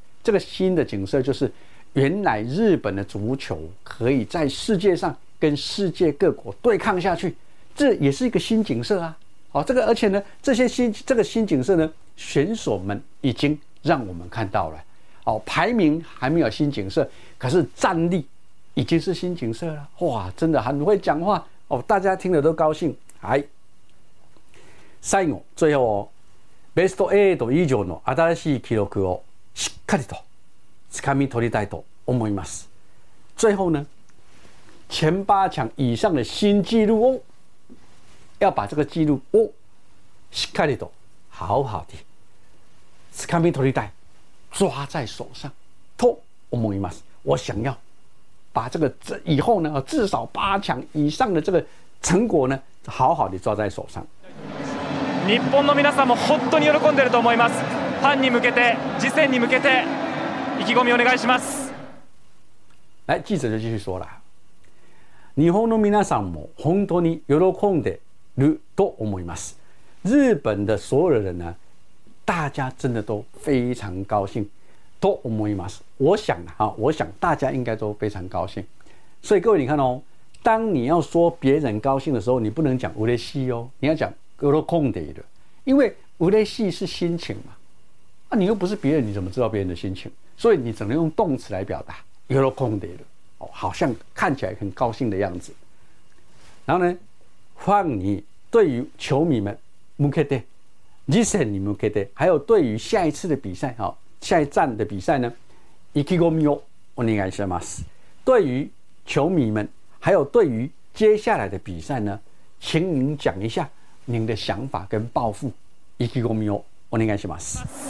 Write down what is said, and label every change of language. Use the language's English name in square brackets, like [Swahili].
[Chinese] 这个新的景色就是，原来日本的足球可以在世界上跟世界各国对抗下去，这也是一个新景色啊。哦，这个而且呢，这个新景色呢，选手们已经让我们看到了。哦，排名还没有新景色，可是战力已经是新景色了。哇，真的很会讲话哦，大家听了都高兴。哎，最后，最后哦， [Japanese] ベスト8以上の新しい記録をしっかりと掴み取りたいと思います。 [Chinese] 最后呢，前八强以上的新纪录哦，要把这个纪录哦， [Japanese] しっかりと [Chinese] 好好的 [Japanese] 掴み取りたい。 [Chinese] 抓在手上， [Japanese] と思います。 [Chinese] 我想要把这个以后呢，至少八强以上的这个成果呢，好好的抓在手上。 [Japanese] 日本の皆さんも本当に喜んでると思います。ファンに向けて、次戦に向けて、意気込みお願いします。 [Chinese] 来，记者就继续说了， [Japanese] 日本の皆さんも本当に喜んでると思います。 [Chinese] 日本的所有人呢？大家真的都非常高兴，都 [Japanese] 思います。 [Chinese] 我想大家应该都非常高兴。所以各位，你看哦，当你要说别人高兴的时候，你不能讲嬉しい哦，你要讲喜んでいる，因为嬉しい是心情嘛。啊，你又不是别人，你怎么知道别人的心情？所以你只能用动词来表达喜んでいる。哦，好像看起来很高兴的样子。然后呢，放你对于球迷们向けて， [Japanese] 日本に向けて， [Chinese] 还有对于下一次的比赛，好，下一站的比赛呢， [Japanese] 意気込みをお願いします。 [Chinese] 对于球迷们，还有对于接下来的比赛呢，请您讲一下您的想法跟抱负。 [Japanese] 意気込みをお願いします。